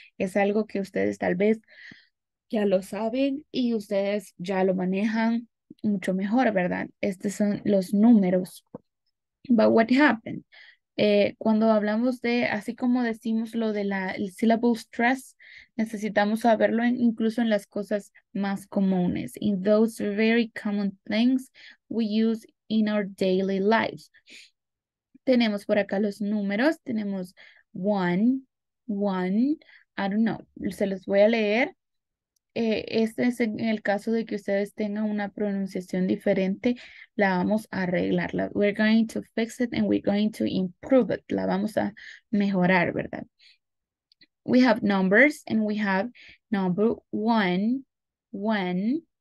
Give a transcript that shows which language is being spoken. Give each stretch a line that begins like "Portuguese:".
Spanish: Es algo que ustedes tal vez ya lo saben y ustedes ya lo manejan mucho mejor, ¿verdad? Estos son los números.
English: But what happened?
Spanish: Cuando hablamos de, así como decimos lo de la el syllable stress, necesitamos saberlo en, incluso en las cosas más comunes.
English: In those very common things we use in our daily lives.
Spanish: Tenemos por acá los números. Tenemos one,
English: I don't know.
Spanish: Se los voy a leer. Este es en el caso de que ustedes tengan una pronunciación diferente, la vamos a arreglar.
English: We're going to fix it and we're going to improve it.
Spanish: La vamos a mejorar, ¿verdad?
English: We have numbers and we have number one, when.